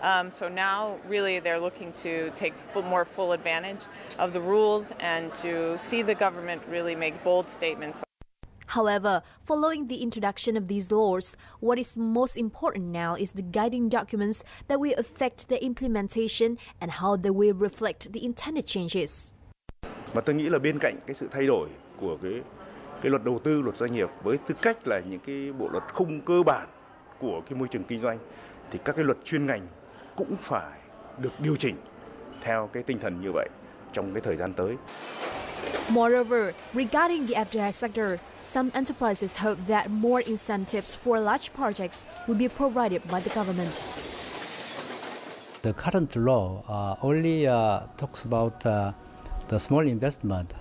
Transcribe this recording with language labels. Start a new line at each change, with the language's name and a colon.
English: So now really they're looking to take more full advantage of the rules and to see the government really make bold statements. However, following the introduction of these laws, what is most important now is the guiding documents that will affect their implementation and how they will reflect the intended changes.
Vietnamese: Và tôi nghĩ là bên cạnh cái sự thay đổi của cái luật đầu tư, luật doanh nghiệp với tư cách là những cái bộ luật khung cơ bản của cái môi trường kinh doanh, thì các cái luật chuyên ngành cũng phải được điều chỉnh theo cái tinh thần như vậy trong cái thời gian tới.
English: Moreover, regarding the FDI sector, some enterprises hope that more incentives for large projects will be provided by the government. The current law only talks about the small investment.